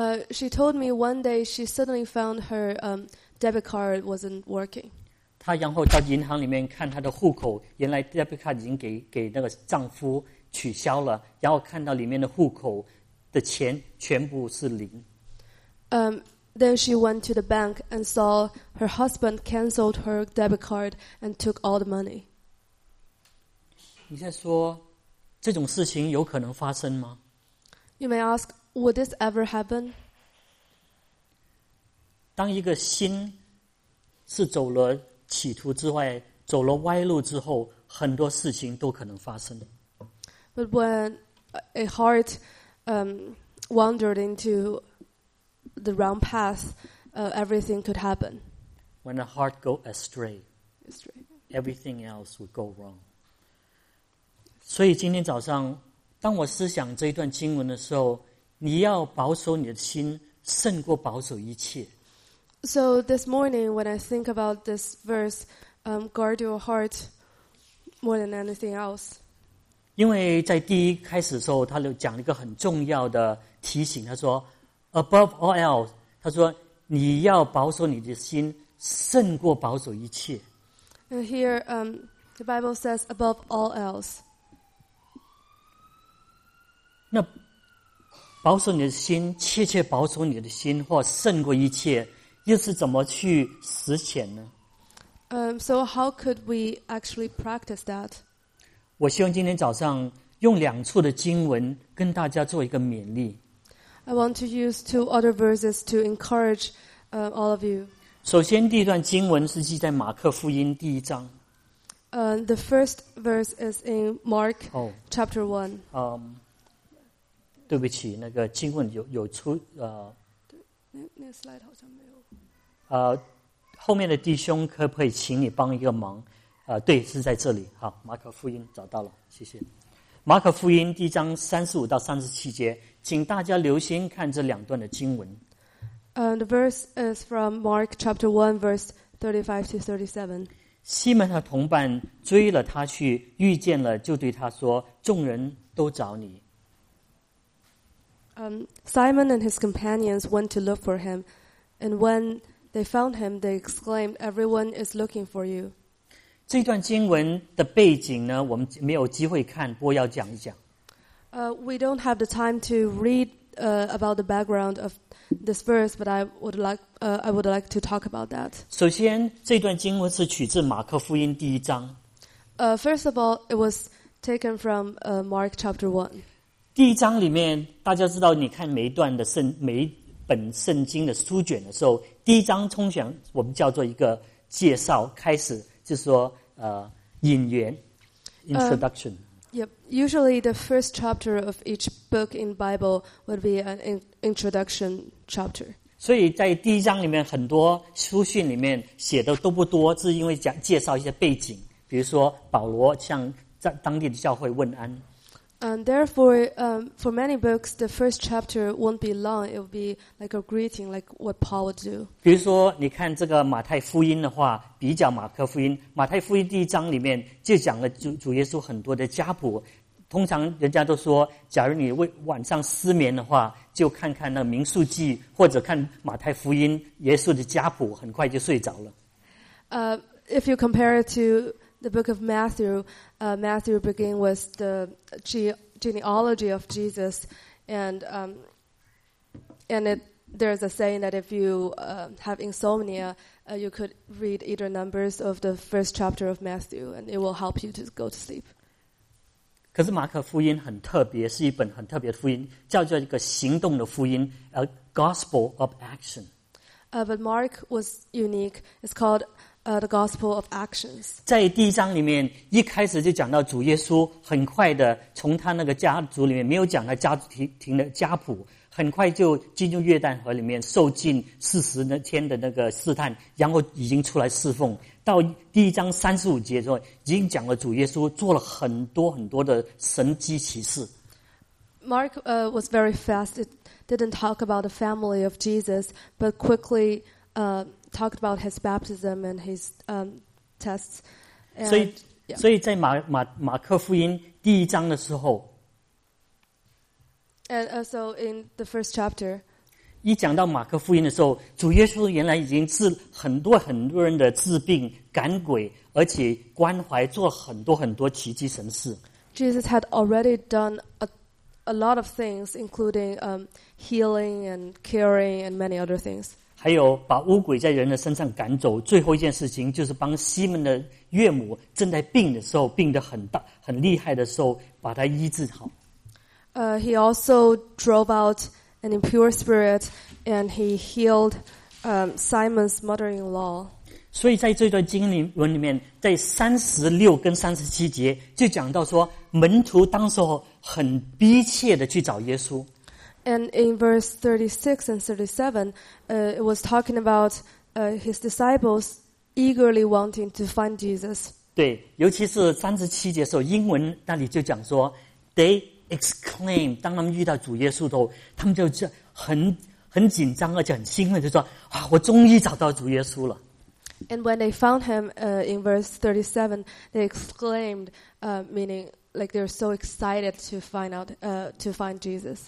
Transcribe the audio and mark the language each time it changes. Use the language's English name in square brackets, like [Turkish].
[English] She told me one day she suddenly found her debit card wasn't working. [Chinese] 她然后到银行里面看她的户口，原来 debit card 已经给那个丈夫取消了，然后看到里面的户口的钱全部是零。 [English] Then she went to the bank and saw her husband canceled her debit card and took all the money. [Chinese] 你在说这种事情有可能发生吗？ [English] You may ask, would this ever happen? [Chinese] 当一个心是走了企图之外，走了歪路之后，很多事情都可能发生。 [English] But when a heart wandered into the wrong path, everything could happen. When a heart go astray, everything else would go wrong. [Chinese] 所以今天早上，当我思想这一段经文的时候，你要保守你的心，胜过保守一切。 [English] So this morning, when I think about this verse, guard your heart more than anything else. [Chinese] 因为在第一开始的时候，他就讲了一个很重要的提醒，他说 ： [English] “Above all else， [Chinese] 他说你要保守你的心，胜过保守一切。” [English] And here, the Bible says, "Above all else." [Chinese] 那保守你的心，切切保守你的心，或胜过一切，又是怎么去实践呢？ [English] So how could we actually practice that? [Chinese] 我希望今天早上用两处的经文跟大家做一个勉励。 [English] I want to use two other verses to encourage all of you. [Chinese] 首先第一段经文是记在马克福音第一章。 [English] The first verse is in Mark chapter 1. [Chinese] 对不起，那个经文有出那个 slide 好像没有。后面的弟兄可不可以请你帮一个忙？对，是在这里。好，马可福音找到了，谢谢。马可福音第一章35-37节，请大家留心看这两段的经文。 [English] The verse is from Mark chapter 1, verse 35-37. [Chinese] 西门和同伴追了他去，遇见了就对他说：“众人都找你。” [English] Simon and his companions went to look for him, and when they found him, they exclaimed, "Everyone is looking for you." [Chinese] 这段经文的背景呢，我们没有机会看，不过要讲一讲。 [English] We don't have the time to read about the background of this verse, but I would like to talk about that. [Chinese] 首先，这段经文是取自马可福音第一章。 [English] First of all, it was taken from Mark chapter 1. [Chinese] 第一章里面，大家知道，你看每一段的每一本圣经的书卷的时候，第一章通常我们叫做一个介绍开始。就是说引言 introduction. [English] Yep. Usually the first chapter of each book in Bible would be an introduction chapter. [Chinese] 所以在第一章里面很多书信里面写的都不多，是因为讲介绍一些背景，比如说保罗向当地的教会问安。 [English] And therefore, for many books, the first chapter won't be long. It will be like a greeting, like what Paul would do. [Chinese] 比如说，你看这个马太福音的话，比较马可福音，马太福音第一章里面就讲了 主耶稣很多的家谱。通常人家都说，假如你晚上失眠的话，就看看那民数记或者看马太福音，耶稣的家谱，很快就睡着了。 [English] If you compare it to the book of Matthew, Matthew begins with the genealogy of Jesus, and there's a saying that if you have insomnia, you could read either numbers of the first chapter of Matthew, and it will help you to go to sleep. [Chinese] 可是马可福音很特别，是一本很特别的福音，叫做一个行动的福音 ， [English] a gospel of action. But Mark was unique. It's called the Gospel of Actions. [Chinese] 在第一章里面，一开始就讲到主耶稣很快的从他那个家族里面，没有讲他家族庭的家谱，很快就进入约旦河里面受尽四十天的那个试探，然后已经出来侍奉。到第一章三十五节的时候，已经讲了主耶稣做了很多很多的神迹奇事。 [English] Mark was very fast. It didn't talk about the family of Jesus, but quickly talked about his baptism and his tests. And, [Chinese] 所以在马可福音第一章的时候 [English] ，and also in the first chapter， [Chinese] 一讲到马可福音的时候，主耶稣原来已经治很多很多人的治病、赶鬼，而且关怀做很多很多奇迹神事。 [English] Jesus had already done a lot of things, including healing and caring and many other things. [Chinese] 还有把巫鬼在人的身上赶走，最后一件事情就是帮西门的岳母正在病的时候，病得很大很厉害的时候，把他医治好。 [English] He also drove out an impure spirit, and he healed Simon's mother-in-law. [Chinese] 所以在这段经文里面，在三十六跟三十七节就讲到说，门徒当时候很逼切的去找耶稣。 [English] And in verse 36 and 37, it was talking about his disciples eagerly wanting to find Jesus. [Chinese] 对，尤其是三十七节的时候，英文那里就讲说 ， [English] they exclaim. [Chinese] 当他们遇到主耶稣的时候，他们就很紧张，而且很兴奋，就说啊，我终于找到主耶稣了。 [English] And when they found him, in verse 37, they exclaimed, meaning. Like they're so excited to find out, to find Jesus.